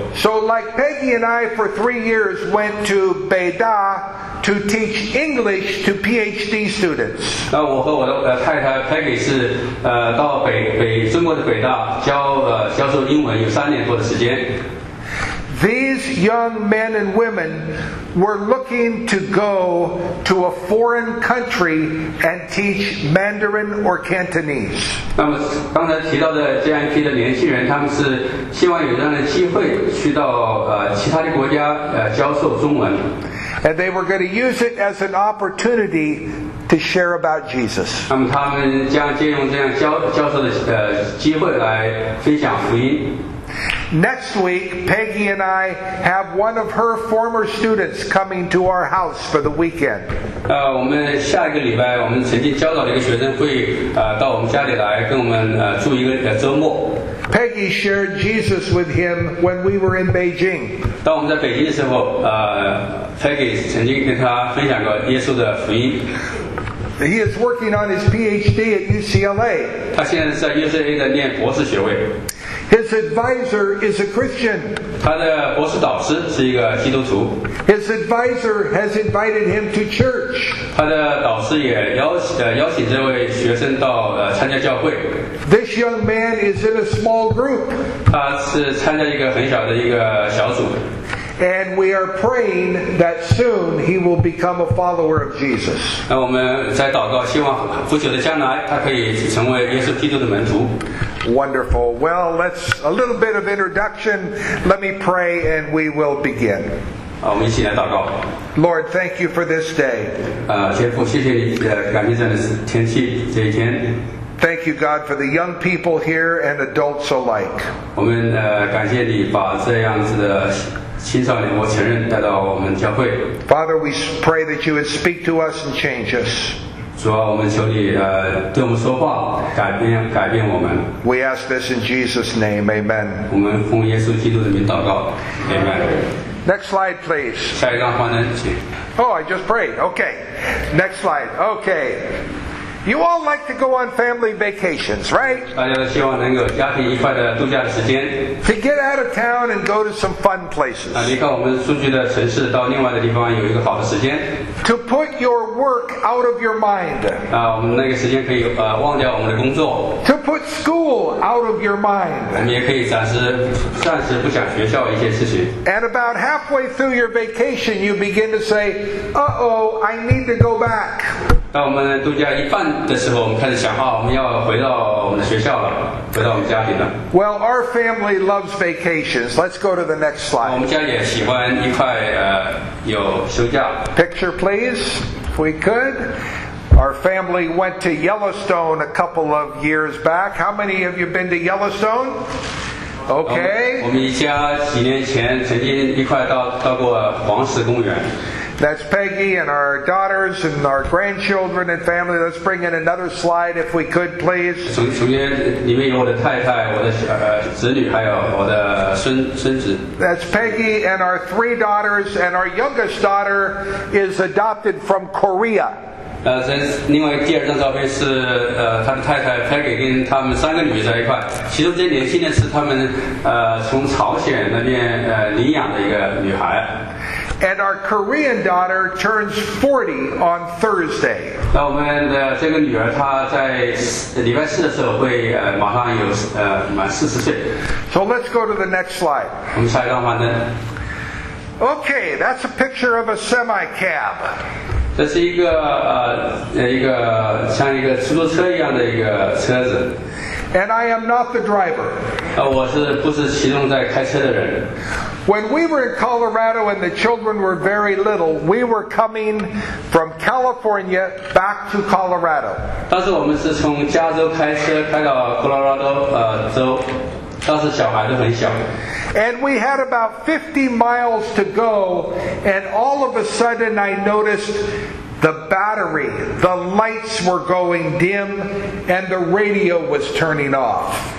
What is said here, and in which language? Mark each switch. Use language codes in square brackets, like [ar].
[en] So like Peggy and I for 3 years went to 北大to teach English to PhD students. [zh] 那我和我的太太 Peggy 是到中国的北大教授英文有3年多的时间。 [en] These young men and women were looking to go to a foreign country and teach Mandarin or Cantonese. [zh] 那么刚才提到的这样一批的年轻人，他们是希望有这样的机会去到其他的国家教授中文。 [en] And they were going to use it as an opportunity to share about Jesus. [zh] 那么他们将借用这样教授的机会来分享福音。 [en] Next week, Peggy and I have one of her former students coming to our house for the weekend. [zh] 我们下一个礼拜，我们曾经教导的一个学生会到我们家里来跟我们住一个周末。 [en] Peggy shared Jesus with him when we were in Beijing. [zh] 当我们在北京的时候，Peggy 曾经跟他分享过耶稣的福音。 [en] He is working on his PhD at UCLA. [zh] 他现在在 UCLA 的念博士学位。 [en] His advisor is a Christian. [zh] 他的博士导师是一个基督徒。 [en] His advisor has invited him to church. [zh] 他的导师也邀请这位学生到参加教会。 [en] This young man is in a small group. [zh] 他是参加一个很小的一个小组。 [en] And we are praying that soon he will become a follower of Jesus. [zh] 那我们在祷告，希望不久的将来他可以成为耶稣基督的门徒。 [en] Wonderful. Well, let's a little bit of introduction. Let me pray and we will begin. [zh] 我们一起来祷告。 [en] Lord, thank you for this day. [zh] 天父，谢谢你，感谢这样的天气，这一天。 [en] Thank you, God, for the young people here and adults alike. [zh] 我们感谢你把这样子的青少年和成人带到我们教会。 [en] Father, we pray that you would speak to us and change us. [zh] 主啊，我们求你对我们说话，改变我们。 [en] We ask this in Jesus' name, Amen. [zh] 我们奉耶稣基督的名祷告 ，Amen. [en] Next slide, please. [zh] 下一张幻灯，请。 [en] Oh, I just prayed. Okay. Next slide. Okay. You all like to go on family vacations, right? [zh] 大家都希望能够家庭愉快的度假的时间。 [en] To get out of town and go to some fun places. [zh] 离开我们熟悉的城市，到另外的地方有一个好的时间。 [en] To put your work out of your mind. [zh] 我们那个时间可以忘掉我们的工作。 [en] To put school out of your mind. [zh] 我们也可以暂时不想学校一些事情。 [en] And about halfway through your vacation, you begin to say, "Uh-oh, I need to go back." [zh] 当我们度假一半的时候，我们开始想啊，我们要回到我们的学校了，回到我们家里了。 [en] Well, our family loves vacations. Let's go to the next slide. [zh] 我们家也喜欢一块有休假。 [en] Picture, please, if we could. Our family went to Yellowstone a couple of years back. How many of you been to Yellowstone? Okay. [zh] 我们一家几年前曾经一块到过黄石公园。 [en] That's Peggy and our daughters and our grandchildren and family. Let's bring in another slide if we could, please. [zh] 首先，里面有我的太太、我的子女，还有我的孙子。 [en] That's Peggy and our 3 daughters, and our youngest daughter is adopted from Korea. [zh] 这另外第二张照片是他的太太 Peggy 跟他们3个女儿在一块，其中最年轻的是他们从朝鲜那边领养的一个女孩。 [en] And our Korean daughter turns 40 on Thursday. [zh] 那我们的这个女儿，她在礼拜四的时候会马上有满40岁。 [en] So let's go to the next slide. [zh] 我们下一张幻灯。 [en] Okay, that's a picture of a semi cab. [zh] 这是一个像一个出租车一样的一个车子。 [en] And I am not the driver. [zh] 我不是其中在开车的人。 [en] When we were in Colorado and the children were very little, we were coming from California back to Colorado. [zh] 当时我们是从加州开车开到科罗拉多州。 [en] And we had about 50 miles to go, and all of a sudden I noticed the battery, the lights were going dim, and the radio was turning off.